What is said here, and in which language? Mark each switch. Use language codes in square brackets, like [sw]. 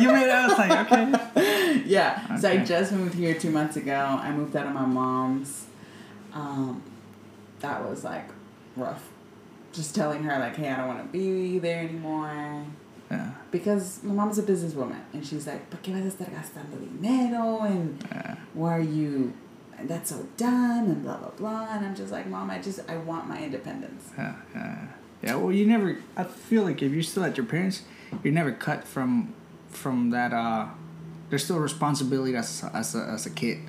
[en] You made it. I was like, okay. Yeah. Okay. So, I just moved here 2 months ago. I moved out of my mom's. That was, like, rough. Just telling her, like, hey, I don't want to be there anymore. Yeah. Because my mom's a businesswoman. And she's like, [es] ¿por qué vas a estar gastando dinero? [en] And why are you... that's so done and blah blah blah, and I'm just like, mom, I want my independence. Yeah. Well, I feel like if you're still at your parents, you're never cut from that. There's still responsibility as a kid.